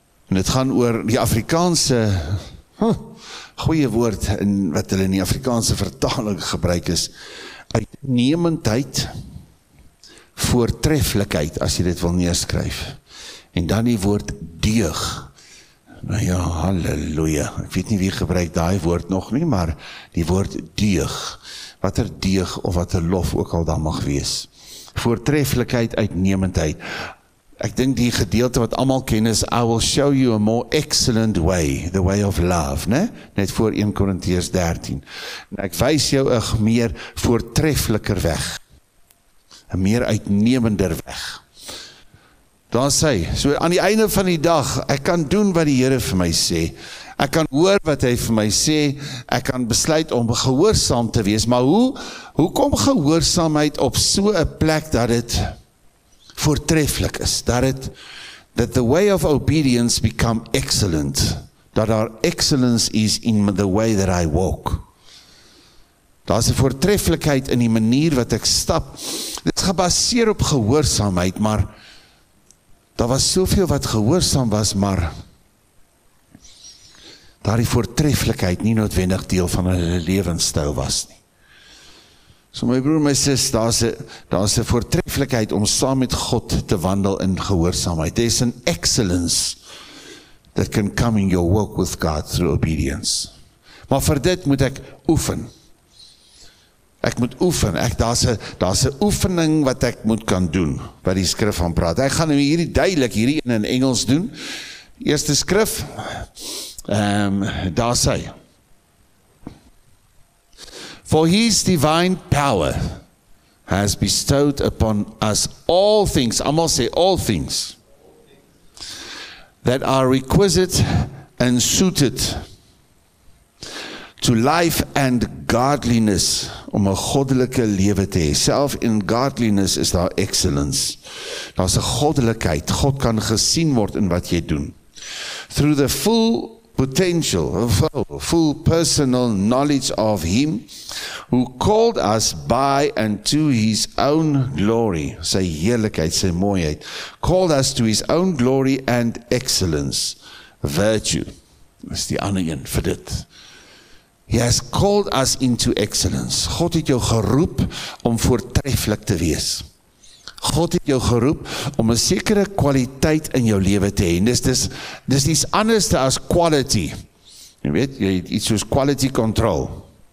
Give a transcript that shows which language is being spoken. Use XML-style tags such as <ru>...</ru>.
<af>En het gaan oor die Afrikaanse, goeie woord, in wat hulle in die Afrikaanse vertaling gebruik is, uitnemendheid, voortreffelijkheid, as jy dit wil neerskryf. En dan die woord deug. Nou ja, halleluja. Ek weet nie wie gebruik die woord nog nie, maar die woord deug. Wat deug of wat lof ook al dan mag wees. Voortreffelijkheid, uitnemendheid. Ek dink die gedeelte wat allemaal ken is,</af> <en>I will show you a more excellent way, the way of love, ne?</en> <af>Net voor 1 Korintiërs 13. En ek wys jou 'n meer voortreffeliker weg. Een meer uitnemender weg. Dan sê, so aan die einde van die dag, ek kan doen wat die Here vir my sê, ek kan hoor wat hy vir my sê, ek kan besluit om gehoorsaam te wees, maar hoe kom gehoorsaamheid op so 'n plek dat het voortreffelijk is, dat het,</af> <en>that the way of obedience become excellent, that our excellence is in the way that I walk.</en> <af>Daar is 'n voortreffelijkheid in die manier wat ek stap, dit is gebaseer op gehoorsaamheid, maar daar was soveel wat gehoorsaam was, maar daar die voortreffelijkheid nie noodwendig deel van hulle lewensstyl was nie. So my broer, my sis, daar is een voortreffelijkheid om saam met God te wandel in gehoorsaamheid.</af> <en>There is an excellence that can come in your walk with God through obedience.</en> <af>Maar vir dit moet ek oefen. Ek moet oefen, daar is een oefening wat ek moet kan doen, wat die skrif van praat. Ek gaan nou hierdie duidelik, hierdie in Engels doen. Eerste skrif, daar sê,</af> <en>for his divine power has bestowed upon us all things,</en> <af>almal sê</af> <en>all things, that are requisite and suited to life and godliness,</en> <af>om 'n goddelike lewe te hê. Self in godliness is daar excellence. Daar's 'n goddelikheid. God kan gesien word in wat jy doen.</af> <en>Through the full potential, full personal knowledge of him who called us by and to his own glory,</en> <af>sy heerlikheid, sy mooiheid,</af> <en>called us to his own glory and excellence, virtue.</en> <af>Dis die ander een vir dit.</af> <en>He has called us into excellence.</en> <af>God het jou geroep om voortreffelijk te wees. God het jou geroep om 'n sekere kwaliteit in jou lewe te hê. Dis iets anders as quality. Jy weet, jy het iets soos quality control.</af>